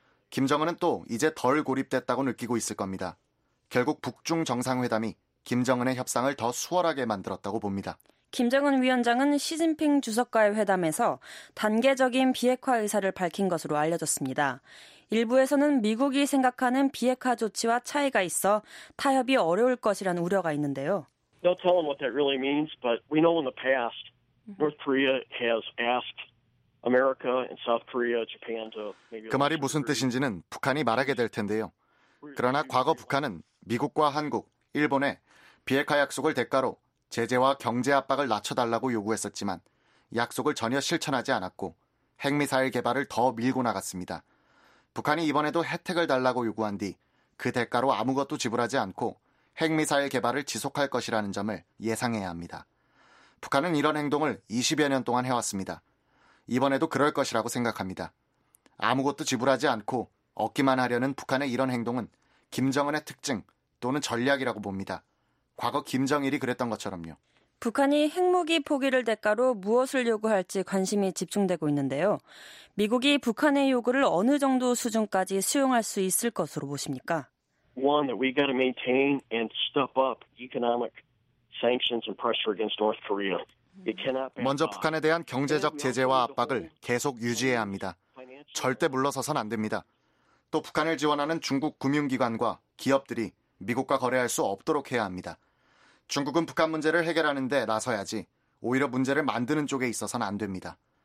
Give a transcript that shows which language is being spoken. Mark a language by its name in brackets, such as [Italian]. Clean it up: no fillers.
[Korean] 김정은은 또 이제 덜 고립됐다고 느끼고 있을 겁니다. 결국 북중 정상회담이 김정은의 협상을 더 수월하게 만들었다고 봅니다. 김정은 위원장은 시진핑 주석과의 회담에서 단계적인 비핵화 의사를 밝힌 것으로 알려졌습니다. 일부에서는 미국이 생각하는 비핵화 조치와 차이가 있어 타협이 어려울 것이란 우려가 있는데요. [English] They'll tell them what that really means, but we know in the past North Korea has asked America and South Korea, Japan to maybe. [Korean] 그 말이 무슨 뜻인지는 북한이 말하게 될 텐데요. 그러나 과거 북한은 미국과 한국, 일본에 비핵화 약속을 대가로 제재와 경제 압박을 낮춰달라고 요구했었지만 약속을 전혀 실천하지 않았고 핵미사일 개발을 더 밀고 나갔습니다. 북한이 이번에도 혜택을 달라고 요구한 뒤 그 대가로 아무것도 지불하지 않고 핵미사일 개발을 지속할 것이라는 점을 예상해야 합니다. 북한은 이런 행동을 20여 년 동안 해왔습니다. 이번에도 그럴 것이라고 생각합니다. 아무것도 지불하지 않고 얻기만 하려는 북한의 이런 행동은 김정은의 특징 또는 전략이라고 봅니다. 과거 김정일이 그랬던 것처럼요. 북한이 핵무기 포기를 대가로 무엇을 요구할지 관심이 집중되고 있는데요. 미국이 북한의 요구를 어느 정도 수준까지 수용할 수 있을 것으로 보십니까? [English] One that we got to maintain and step up economic sanctions and pressure against North Korea. It cannot. [Korean] 먼저 북한에 대한 경제적 제재와 압박을 계속 유지해야 합니다. 절대 물러서선 안 됩니다. 또 북한을 지원하는 중국 금융기관과 기업들이 미국과 거래할 수 없도록 해야 합니다. 중국은 북한 문제를 해결하는 데 나서야지 오히려 문제를 만드는 쪽에 있어서는 안 됩니다.